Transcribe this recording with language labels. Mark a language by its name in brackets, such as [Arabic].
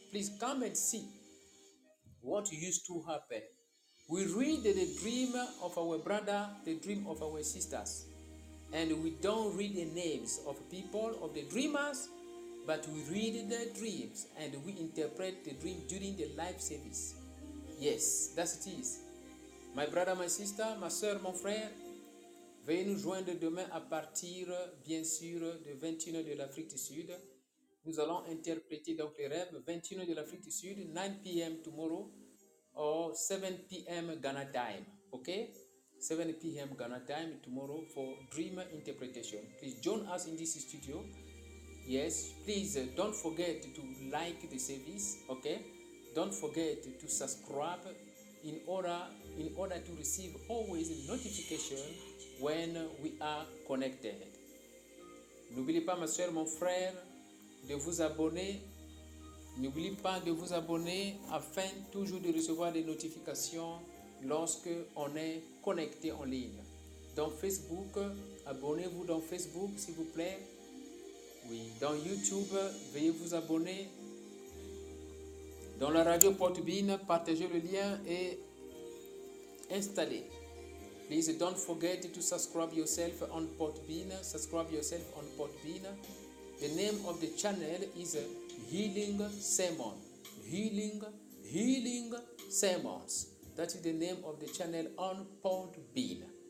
[English] Please come and see what used to happen. We read the dream of our brother, the dream of our sisters, and we don't read the names of people, of the dreamers, but we read the dreams and we interpret the dream during the live service. Yes, that's it is. My brother, my sister, [French] ma soeur, mon frère, veuillez nous joindre demain à partir, bien sûr, de 21h de l'Afrique du Sud. Nous allons interpréter donc les rêves, 21h de l'Afrique du Sud, 9 p.m. [English] tomorrow, or 7 p.m. Ghana time, ok? 7 p.m. Ghana time tomorrow for dream interpretation. Please join us in this studio. Yes, please don't forget to like the service, okay? Don't forget to subscribe in order to receive always a notification when we are connected. [French] N'oubliez pas, ma soeur, mon frère, de vous abonner. N'oubliez pas de vous abonner afin toujours de recevoir des notifications lorsque on est connecté en ligne. Dans Facebook, abonnez-vous dans Facebook, s'il vous plaît. Oui, dans YouTube, veuillez vous abonner. Dans la radio Portebine, partagez le lien et installez. [English] Please don't forget to subscribe yourself on Portebine. Subscribe yourself on Portebine. The name of the channel is Healing Sermon. Healing, Healing Sermons. That is the name of the channel on Portebine.